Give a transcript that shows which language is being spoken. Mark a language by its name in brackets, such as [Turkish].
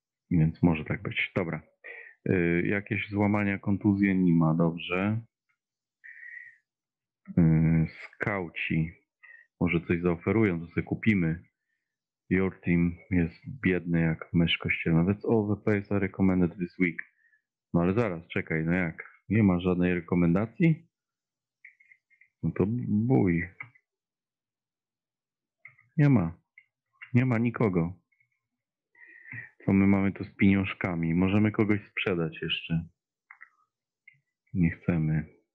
[Polish] Więc może tak być. Dobra. Jakieś złamania, kontuzje nie ma, dobrze. Skauci. może coś zaoferują, to sobie kupimy. [English] Your team [Polish] jest biedny jak mysz kościelna. [English] That's all the place I recommended this week. [Polish] No ale zaraz, czekaj, no jak? Nie ma żadnej rekomendacji? No to bój. Nie ma. Nie ma nikogo. Co my mamy tu z pieniążkami? Możemy kogoś sprzedać jeszcze. Nie chcemy.